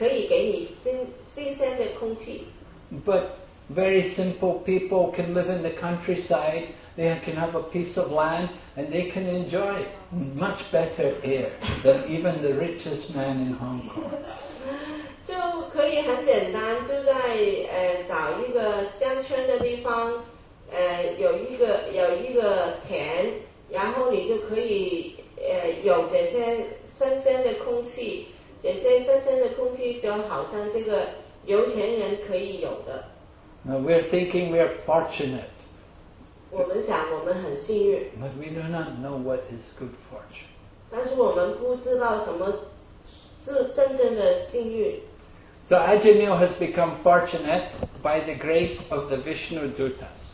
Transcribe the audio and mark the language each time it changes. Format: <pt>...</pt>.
<zh>你非常非常的有钱，然后你可以住在一个房子，可以给你新鲜的空气。But</zh> <en>very simple people can live in the countryside. They can have a piece of land and they can enjoy much better air than even the richest man in Hong</en> <zh>Kong.就可以很简单，就在找一个乡村的地方，有一个田。然后你就可以有这些新鲜的空气，这些新鲜的空气就好像这个有钱人可以有的。Now</zh> <en>we're thinking we're fortunate.</en> <zh>我们想我们很幸运。But</zh> <en>we do not know what is good fortune.</en> <zh>但是我们不知道什么是真正的幸运。So</zh> <en>Ajaneo has become fortunate by the grace of the Vishnu Dutas.</en>